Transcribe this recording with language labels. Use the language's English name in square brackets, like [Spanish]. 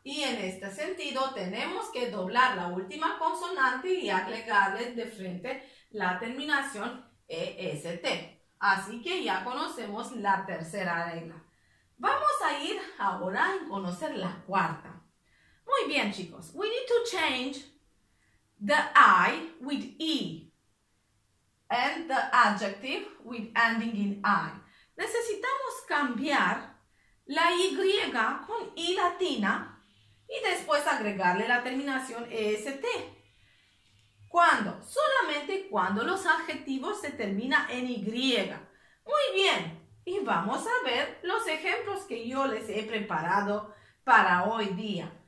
[Spanish] Y en este sentido tenemos que doblar la última consonante y agregarle de frente la terminación EST. Así que ya conocemos la tercera regla. Vamos a ir ahora a conocer la cuarta. Muy bien, chicos. [English] We need to change the I with E and the adjective with ending in I. [Spanish] Necesitamos cambiar la Y con I latina y después agregarle la terminación EST. ¿Cuándo? Solamente cuando los adjetivos se terminan en Y. Muy bien. Y vamos a ver los ejemplos que yo les he preparado para hoy día.